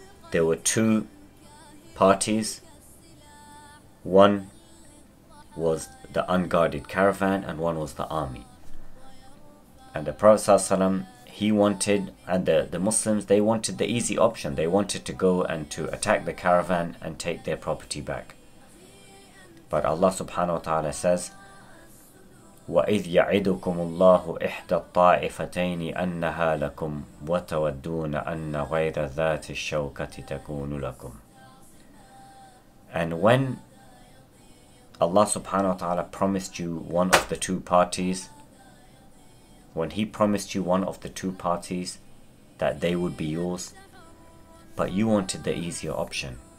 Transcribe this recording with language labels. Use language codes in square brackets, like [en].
[en] There were two parties. One was the unguarded caravan and one was the army. And the Prophet sallallahu alaihi wasallam, he wanted, and the Muslims, they wanted the easy option. They wanted to go and to attack the caravan and take their property back. But Allah subhanahu wa ta'ala says, [ar] وَإِذْ يَعِدُكُمُ اللَّهُ إِحْدَى الطَّائِفَتَيْنِ أَنَّهَا لَكُمْ وَتَوَدُّونَ أَنَّ غَيْرَ ذَاتِ الشَّوْكَةِ تَكُونُ لَكُمْ. [en] And when Allah subhanahu wa ta'ala promised you one of the two parties, when He promised you one of the two parties, that they would be yours, but you wanted the easier option.